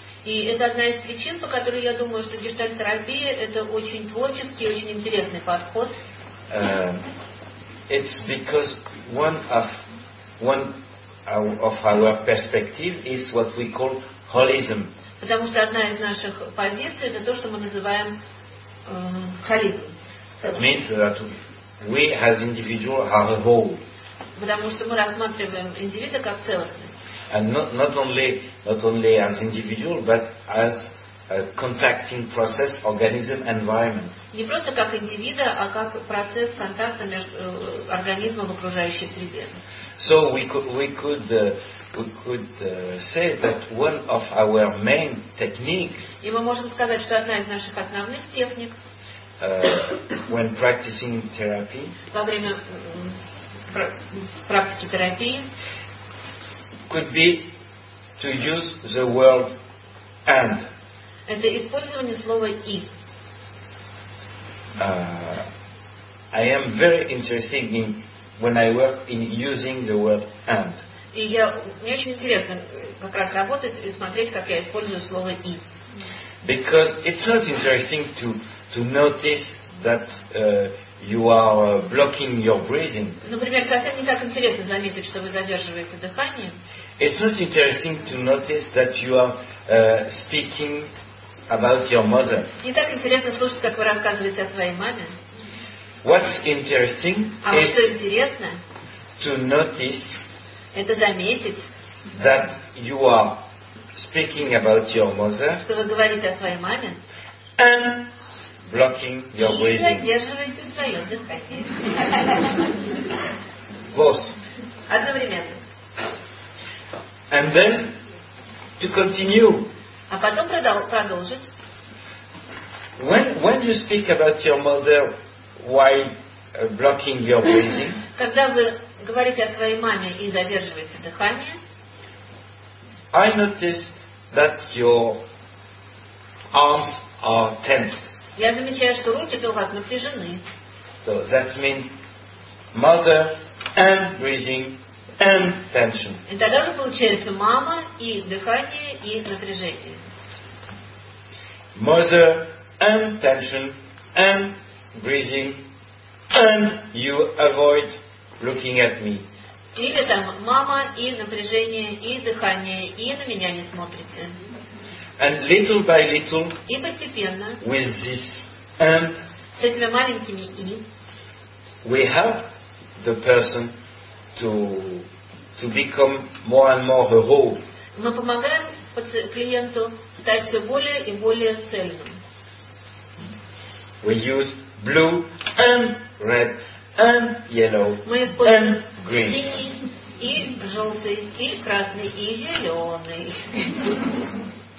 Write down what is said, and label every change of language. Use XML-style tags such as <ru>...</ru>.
<ru>И это одна из причин, по которой я думаю, что гештальт-терапия – это очень творческий, очень интересный подход.</ru> <en>It's because one of our perspective is what we call holism.</en> <ru>Потому что одна из наших позиций – это то, что мы называем холизм.</ru> <en>It means that we as individual are a whole.</en> <ru>Потому что мы рассматриваем индивида как целостность.</ru> <en>And not only as individual, but as a contacting process, organism, environment.</en> <ru>Не просто как индивида, а как процесс контакта между организмом и окружающей среде.</ru> <en>So we could say that one of our main techniques.</en> <ru>И мы можем сказать, что одна из наших основных техник.</ru> <en>When practicing therapy.</en> <ru>Во время практики терапии.</ru> <en>Could be to use the word and.</en> <ru>Это использование слова и.</ru> <en>I am very interested in when I work in using the word and.</en> <ru>И я, мне очень интересно как раз работать и смотреть, как я использую слово и.</ru> <en>Because it's not interesting to notice that you are blocking your breathing.</en> <ru>Например, совсем не так интересно заметить, что вы задерживаете дыхание.</ru> <en>It's not interesting to notice that you are speaking about your mother.</en> <ru>Не так интересно слушать, как вы рассказываете о своей маме.</ru> <en>What's interesting is to notice</en> <ru>это заметить</ru> <en>that you are speaking about your mother,</en> <ru>что вы говорите о своей маме,</ru> <en>and blocking your breathing.</en> <ru>И задерживаете свое дыхание.</ru> <en>Both.</en> <ru>Одновременно.</ru> <en>And then to continue.</en> <ru>А потом продолжить.</ru> <en>When you speak about your mother while blocking your breathing,</en> <ru>когда вы говорите о своей маме и задерживаете дыхание,</ru> <en>I notice that your arms are tense.</en> <ru>Я замечаю, что руки у вас напряжены.</ru> <en>So that means mother and breathing and tension.</en> <ru>И тогда уже получается мама и дыхание и напряжение.</ru> <en>Mother and tension and breathing and you avoid looking at me.</en> <ru>Или там мама и напряжение и дыхание и на меня не смотрите.</ru> <en>And little by little,</en> <ru>и постепенно,</ru> <en>with this and,</en> <ru>с этими маленькими и,</ru> <en>we help the person to become more and more a whole.</en> <ru>Мы помогаем клиенту стать все более и более цельным.</ru> <en>We use blue and red and yellow and green.</en> <ru>Синий и желтый и красный и зеленый.</ru>